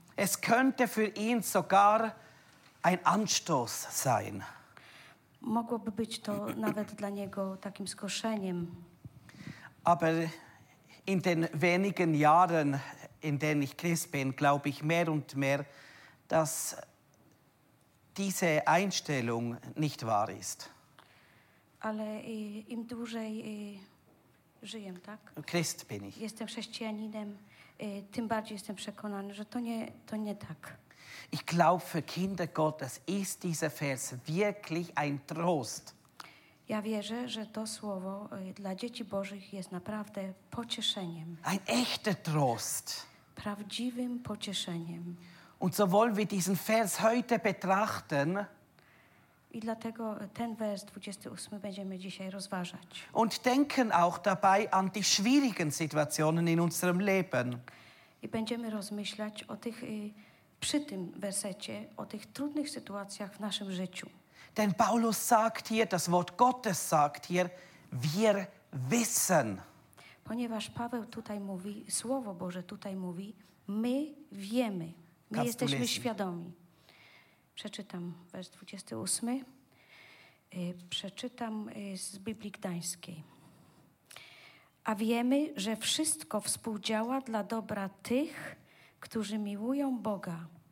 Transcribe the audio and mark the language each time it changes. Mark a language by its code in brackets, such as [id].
[de] Es könnte für ihn sogar ein Anstoß sein. [pl] Mogłoby być to nawet dla niego takim skoszeniem. [de] Aber in den wenigen Jahren, in denen ich Christ bin, glaube ich mehr und mehr, dass diese Einstellung nicht wahr ist. [pl] Ale im dłużej żyję, tak? [de] Christ bin ich. [pl] Jestem chrześcijaninem, tym bardziej jestem przekonany, że to nie tak. [de] Ich glaube, für Kinder Gottes ist dieser Vers wirklich ein Trost. [pl] Ja wierzę, że to słowo dla dzieci Bożych jest naprawdę pocieszeniem. [de] Ein echter Trost. [pl] Prawdziwym pocieszeniem. [de] Und so wollen wir diesen Vers heute betrachten. [pl] I dlatego ten wers 28 będziemy dzisiaj rozważać. [de] Und denken auch dabei an die schwierigen Situationen in unserem Leben. [pl] I będziemy rozmyślać o tych przy tym wersecie, o tych trudnych sytuacjach w naszym życiu. [de] Denn Paulus sagt hier, das Wort Gottes sagt hier, wir wissen. [pl] Ponieważ Paweł tutaj mówi, Słowo Boże tutaj mówi, my wiemy, my jesteśmy świadomi. Przeczytam wers 28. Przeczytam z Biblii Gdańskiej. A wiemy, że wszystko współdziała dla dobra tych, którzy miłują Boga.